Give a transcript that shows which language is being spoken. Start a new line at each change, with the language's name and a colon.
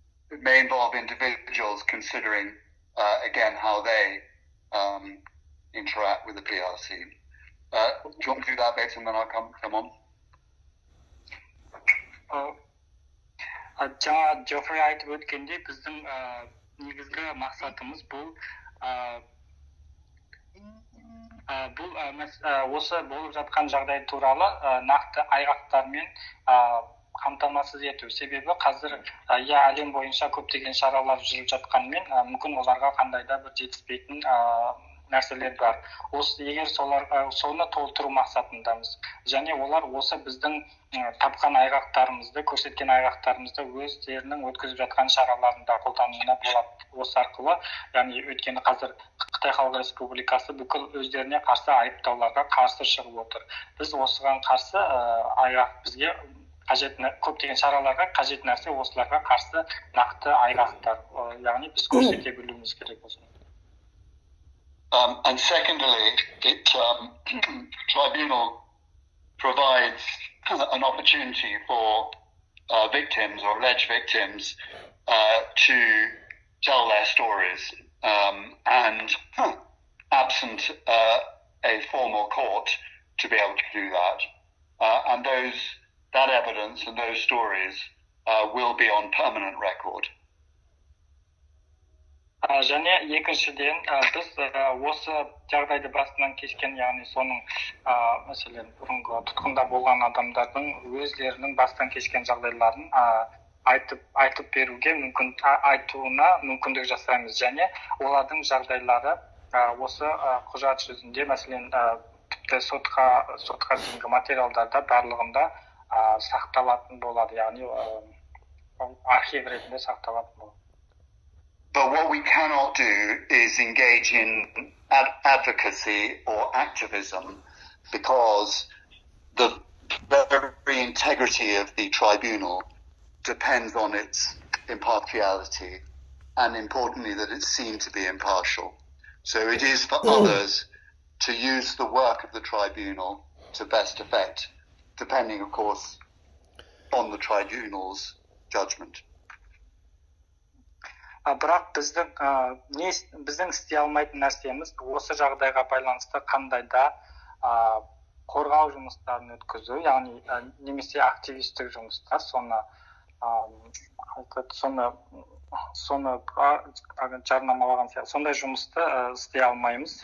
English: It may involve individuals considering, again, how they interact with the PRC. Do you want to do that, Bates, and then I'll come on?
Kazakh: Жаңа Джоффри айтып өткенде, біздің негізгі мақсатымыз бұл. Бұл осы болып жатқан жағдай туралы нақты айғақтармен қамтамасыз ету. Себебі қазір әлем бойынша көптеген шаралар жүріп жатқанмен мүмкін оларға қандай да бір жетіспейтін нәрселер бар. Осы егер соны толтыру мақсатындамыз. Және олар осы біздің тапқан айғақтарымызды, көрсеткен айғақтарымызды өздерінің өткізіп жатқан шараларында қолдануына болады. Осы арқылы, яғни өткені қазір Қытай Халық Республикасы бүкіл өздеріне қарсы айыптауларға қарсы шығып отыр. Біз осыған қарсы айғақ бізге көптеген шараларға қажет нәрсе осыларға қарсы нақты айғақтар, яғни біз көрсете білуіміз керек осыны.
English: And secondly, it the tribunal provides an opportunity for victims or alleged victims to tell their stories. And absent a formal court to be able to do that, and those that evidence and those stories will be on permanent record.
Kazakh: Және екіншіден біз осы жағдайды басынан кешкен, яғни соның мәселен бұрынғы тұтқында болған адамдардың өздерінің бастан кешкен жағдайларын айтып беруге мүмкін айтуына мүмкіндік жасаймыз, және олардың жағдайлары осы құжат жүзінде, мәселен тіпті сотқа дейінгі материалдарда барлығында сақталатын болады, яғни архив ретінде сақталатын болады.
English: But what we cannot do is engage in advocacy or activism, because the very integrity of the tribunal depends on its impartiality, and importantly, that it seemed to be impartial. So it is for others to use the work of the tribunal to best effect, depending, of course, on the tribunal's judgment.
Kazakh: Бірақ біздің істей алмайтын нәрсеміз осы жағдайға байланысты қандай да қорғау жұмыстарын өткізу, яғни немесе активистік жұмыстар, сондай жұмысты істей алмаймыз.